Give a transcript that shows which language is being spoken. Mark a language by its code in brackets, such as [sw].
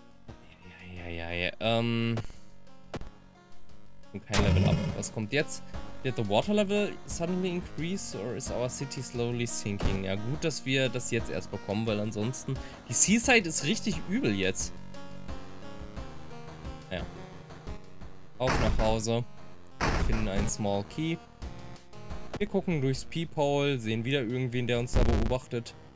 [de] Ja, ja, ja, ja, ja. Kein Level up. Was kommt jetzt? [en] Did the water level suddenly increase or is our city slowly sinking? [de] Ja, gut, dass wir das jetzt erst bekommen, weil ansonsten... Die Seaside ist richtig übel jetzt. Ja. Auf nach Hause. Wir finden einen Small Key. Wir gucken durchs Peephole, sehen wieder irgendwen, der uns da beobachtet.